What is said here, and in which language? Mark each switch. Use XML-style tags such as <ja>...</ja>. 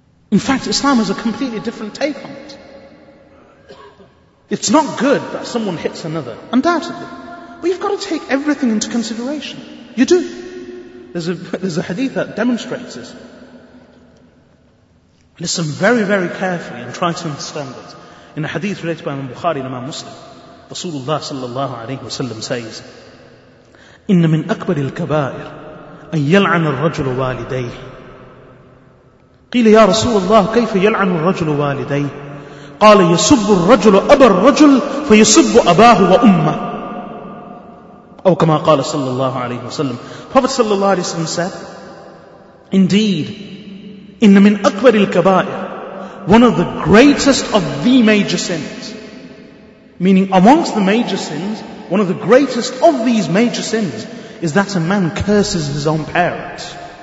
<en>In fact, Islam has a completely different take on it. It's not good that someone hits another, undoubtedly. But you've got to take everything into consideration. You do. There's a hadith that demonstrates this. Listen very, very carefully and try to understand it. In a hadith related by Imam Bukhari and Imam Muslim, Rasulullah sallallahu alayhi wa sallam says,</en> <ar>إِنَّ مِنْ أَكْبَرِ الْكَبَائِرِ أَنْ يَلْعَنَ الرَّجُلُ وَالِدَيْهِ قِيلَ يَا رَسُولَ اللَّهِ كَيْفَ يَلْعَنُ الرَّجُلُ وَالِدَيْهِ قَالَ يَسُبُّ الرَّجُلُ أَبَا الرَّجُلِ فَيَسُبُّ أَبَاهُ وَأُمَّهُ أو كما قال صلى الله عليه وسلم.</ar> <en>Prophet صلى الله عليه وسلم said, indeed,</en> <ar>إن من أكبر الكبائر,</ar> <en>one of the greatest of the major sins, meaning amongst the major sins, one of the greatest of these major sins is that a man curses his own parents.</en>